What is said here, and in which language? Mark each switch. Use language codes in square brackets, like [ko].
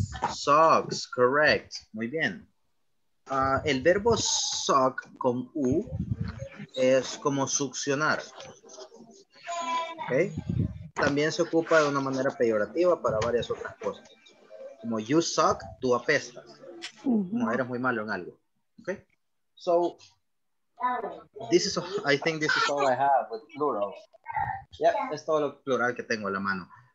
[en] socks. Correct. [es] Muy bien. El verbo suck con U es como succionar. Okay. También se ocupa de una manera peyorativa para varias otras cosas. Como [en] you suck, [es] tú apestas. Como eres muy malo en algo. Okay. [en] So, I think this is all I have with plural. [es] Yeah, es todo lo plural que tengo en la mano.